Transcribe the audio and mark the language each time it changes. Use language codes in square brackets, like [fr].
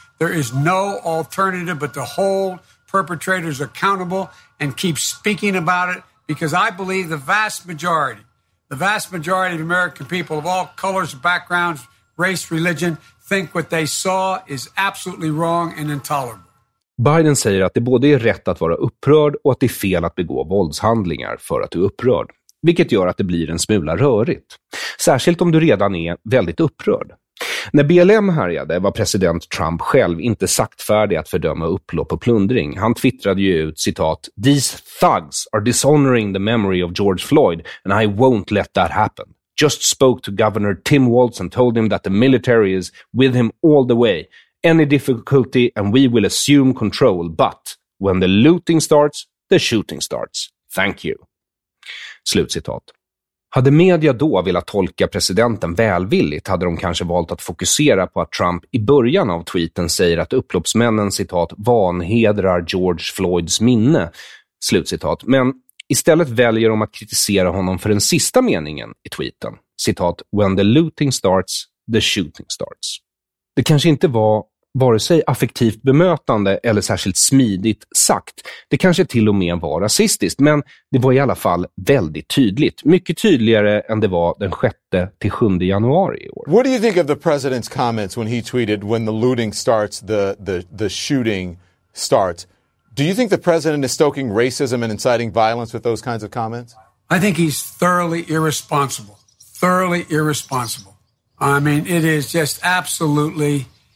[en] There is no alternative but to hold perpetrators accountable and keep speaking about it, because I believe the vast majority of American people of all colors, backgrounds, race, religion, think what they saw is absolutely wrong and intolerable. [sv] Biden säger att det både är rätt att vara upprörd och att det är fel att begå våldshandlingar för att du är upprörd. Vilket gör att det blir en smula rörigt. Särskilt om du redan är väldigt upprörd. När BLM härjade var president Trump själv inte saktfärdig att fördöma upplopp och plundring. Han twittrade ju ut, citat, [en] "These thugs are dishonoring the memory of George Floyd and I won't let that happen. Just spoke to Governor Tim Walz and told him that the military is with him all the way. Any difficulty and we will assume control, but when the looting starts, the shooting starts. Thank you." [sv] Slutcitat. Hade media då velat tolka presidenten välvilligt hade de kanske valt att fokusera på att Trump i början av tweeten säger att upploppsmännen, citat, vanhedrar George Floyds minne, slutcitat. Men istället väljer de att kritisera honom för den sista meningen i tweeten, citat, [en] "When the looting starts, the shooting starts." [sv] Det kanske inte var vare sig affektivt bemötande eller särskilt smidigt sagt. Det kanske till och med var rasistiskt, men det var i alla fall väldigt tydligt. Mycket tydligare än det var den 6-7 januari i år. [en] What do you think of the president's comments when he tweeted "when the looting starts, the shooting starts"? Do you think the president is stoking racism and inciting violence with those kinds of comments? I think he's thoroughly irresponsible. Thoroughly irresponsible. I mean, it is just absolutely...